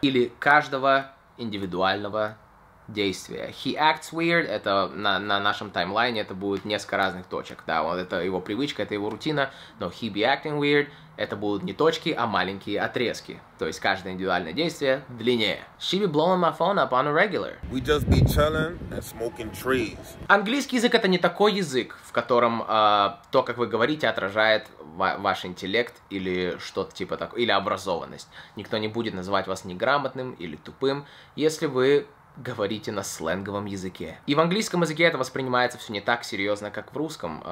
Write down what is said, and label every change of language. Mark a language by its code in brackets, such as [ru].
[ru] Или каждого индивидуального действия. [en] He acts weird, [ru] это на нашем таймлайне, это будет несколько разных точек. Да, вот это его привычка, это его рутина. Но [en] he be acting weird, [ru] это будут не точки, а маленькие отрезки. То есть каждое индивидуальное действие длиннее. [en] She be blowing my phone up on a regular. We just be chilling and smoking trees. [ru] Английский язык — это не такой язык, в котором то, как вы говорите, отражает ваш интеллект или что-то типа такого, или образованность. Никто не будет называть вас неграмотным или тупым, если вы говорите на сленговом языке. И в английском языке это воспринимается все не так серьезно, как в русском.